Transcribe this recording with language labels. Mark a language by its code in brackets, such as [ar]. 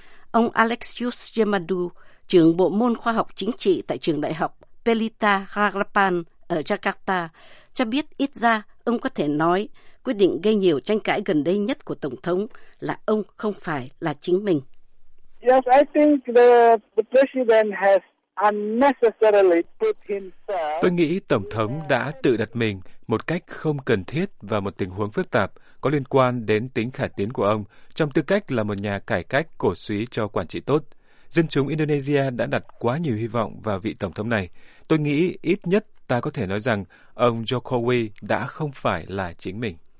[vi] Ông Alexius Yamadu, trưởng bộ môn khoa học chính trị tại trường đại học Pelita Harapan ở Jakarta, cho biết ít ra ông có thể nói quyết định gây nhiều tranh cãi gần đây nhất của Tổng thống là ông không phải là chính mình. [en] Yes, I think the president has unnecessarily put himself... [vi] Tôi nghĩ Tổng thống đã tự đặt mình một cách không cần thiết vào một tình huống phức tạp có liên quan đến tính khả tiến của ông trong tư cách là một nhà cải cách cổ suý cho quản trị tốt. Dân chúng Indonesia đã đặt quá nhiều hy vọng vào vị Tổng thống này. Tôi nghĩ ít nhất ta có thể nói rằng ông Jokowi đã không phải là chính mình.